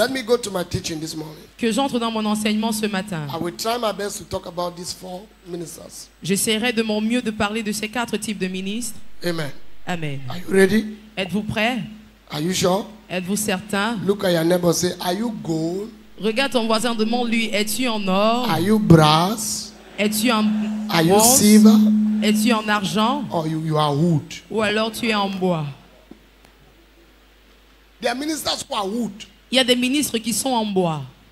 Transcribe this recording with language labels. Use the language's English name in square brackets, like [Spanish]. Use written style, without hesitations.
[English] Let me go to my teaching this morning. [French] Que j'entre dans mon enseignement ce matin. [English] I will try my best to talk about these four ministers. [French] J'essaierai de mon mieux de parler de ces quatre types de ministres. [English] Amen. [French] Amen. [English] Are you ready? [French] Êtes-vous prêt? [English] Are you sure? [French] Êtes-vous certain? [English] Look at your neighbor, say, are you gold? [French] Regarde ton voisin, demande-lui, es-tu en or? [English] Are you brass? [French] Es-tu en [English] bronze? Are you silver? [French] Es-tu en argent? [English] Or you are wood? [French] Ou alors tu es en bois? [English] There are ministers who are wood. [French] Il y a des ministres qui sont en bois.